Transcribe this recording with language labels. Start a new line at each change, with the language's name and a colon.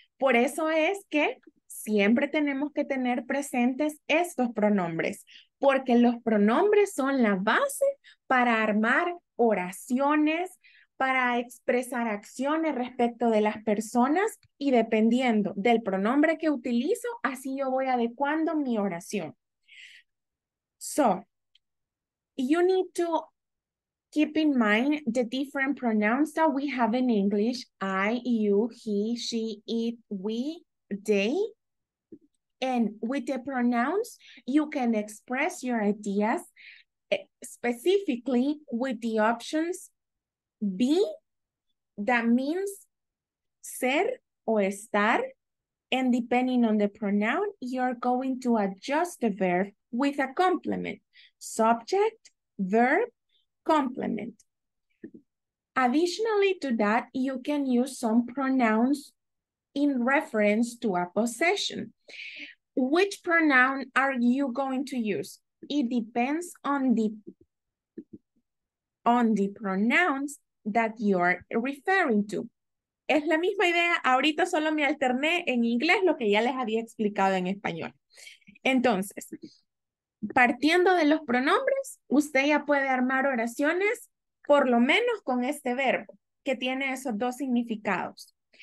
Spanish: Por eso es que siempre tenemos que tener presentes estos pronombres, porque los pronombres son la base para armar oraciones, para expresar acciones respecto de las personas y dependiendo del pronombre que utilizo, así yo voy adecuando mi oración.
English: So, you need to keep in mind the different pronouns that we have in English: I, you, he, she, it, we, they. And with the pronouns, you can express your ideas specifically with the options be, that means
Spanish: ser o estar.
English: And depending on the pronoun, you're going to adjust the verb with a complement. Subject, verb, complement. Additionally to that, you can use some pronouns in reference to a possession. Which pronoun are you going to use? It depends on the pronouns that you're referring to.
Spanish: Es la misma idea. Ahorita solo me alterné en inglés lo que ya les había explicado en español. Entonces, partiendo de los pronombres, usted ya puede armar oraciones por lo menos con este verbo, que tiene esos dos significados.